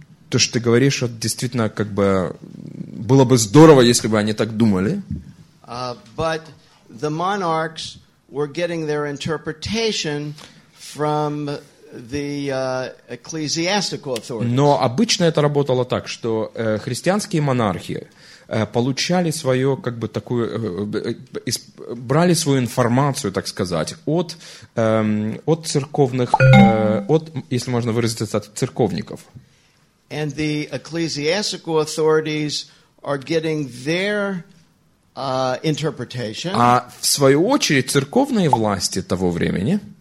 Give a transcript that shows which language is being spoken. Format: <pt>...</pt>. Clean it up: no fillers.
<ru>То, что ты говоришь, действительно, было бы здорово, если бы они так думали.</ru> <en>But the monarchs were getting their interpretation from the ecclesiastical authorities.</en> <ru>Но обычно это работало так, что христианские монархи получали свое, брали свою информацию, так сказать, от церковных, от, если можно выразиться, от церковников.</ru> <en>And the ecclesiastical authorities are getting their interpretation.</en> <ru>А в свою очередь церковные власти того времени</ru>